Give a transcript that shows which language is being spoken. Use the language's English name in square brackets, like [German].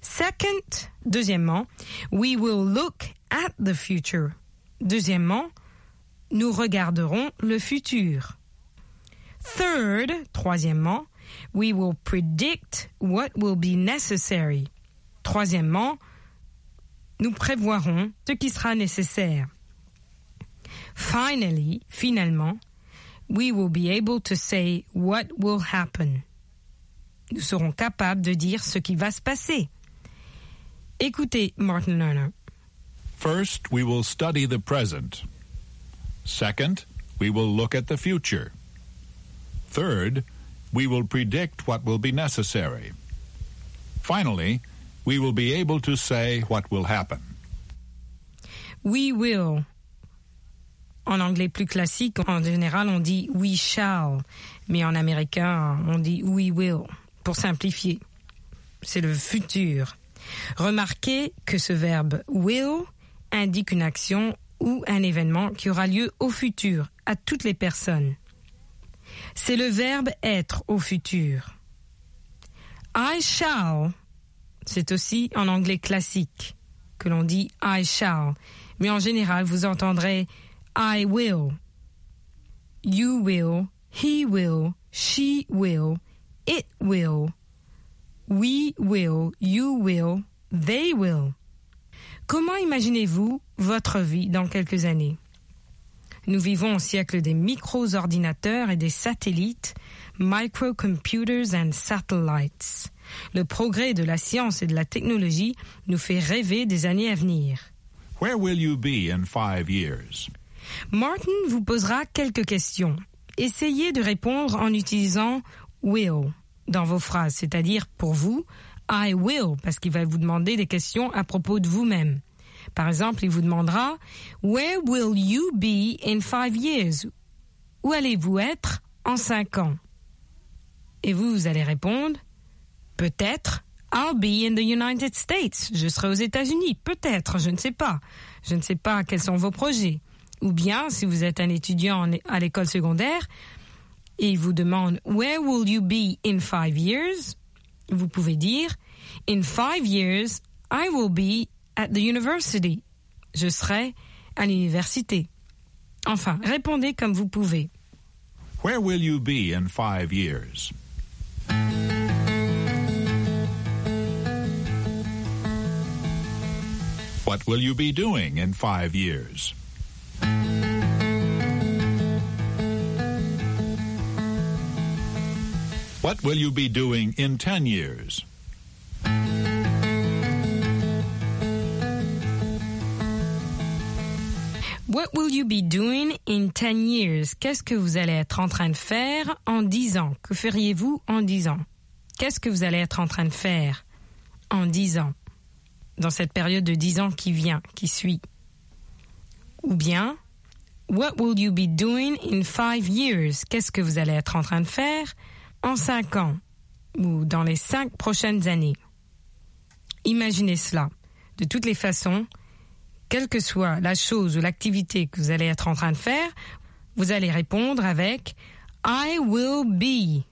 [English] Second, deuxièmement, « we will look at the future. » Deuxièmement, nous regarderons le futur. Third, troisièmement, we will predict what will be necessary. [French] Troisièmement, nous prévoirons ce qui sera nécessaire. [English] Finally, finalement, we will be able to say what will happen. [French] Nous serons capables de dire ce qui va se passer. Écoutez Martin Lerner. [English] First, we will study the present. Second, we will look at the future. Third, we will predict what will be necessary. Finally, we will be able to say what will happen. We will. [French] En anglais plus classique, en général, on dit [English] we shall. [French] Mais en américain, on dit [English] we will, [French] pour simplifier. C'est le futur. Remarquez que ce verbe will indique une action ou un événement qui aura lieu au futur, à toutes les personnes. C'est le verbe être au futur. [English] I shall, [French] c'est aussi en anglais classique que l'on dit I shall, mais en général vous entendrez [English] I will, you will, she will, it will, we will, you will, they will. [French] Comment imaginez-vous votre vie dans quelques années? Nous vivons au siècle des micro-ordinateurs et des satellites, [English] microcomputers and satellites. [French] Le progrès de la science et de la technologie nous fait rêver des années à venir. [English] Where will you be in 5 years? [French] Martin vous posera quelques questions. Essayez de répondre en utilisant will dans vos phrases, c'est-à-dire pour vous, [English] I will, [French] parce qu'il va vous demander des questions à propos de vous-même. Par exemple, il vous demandera « [English] Where will you be in 5 years? [French] » Où allez-vous être en 5 ans? Et vous, vous allez répondre « Peut-être, [English] I'll be in the United States. [French] » Je serai aux États-Unis. Peut-être, je ne sais pas. Je ne sais pas quels sont vos projets. Ou bien, si vous êtes un étudiant à l'école secondaire, et il vous demande « [English] Where will you be in 5 years? [French] » Vous pouvez dire « [English] In 5 years, I will be at the university. [French] » Je serai à l'université. Enfin, répondez comme vous pouvez. [English] Where will you be in 5 years? What will you be doing in 5 years? What will you be doing in 10 years? What will you be doing in 10 years? [French] Qu'est-ce que vous allez être en train de faire en 10 ans? Que feriez-vous en 10 ans? Qu'est-ce que vous allez être en train de faire en 10 ans? Dans cette période de 10 ans qui vient, qui suit. Ou bien, [English] what will you be doing in 5 years? [French] Qu'est-ce que vous allez être en train de faire en 5 ans? Ou dans les 5 prochaines années? Imaginez cela. De toutes les façons, quelle que soit la chose ou l'activité que vous allez être en train de faire, vous allez répondre avec « [English] I will be ».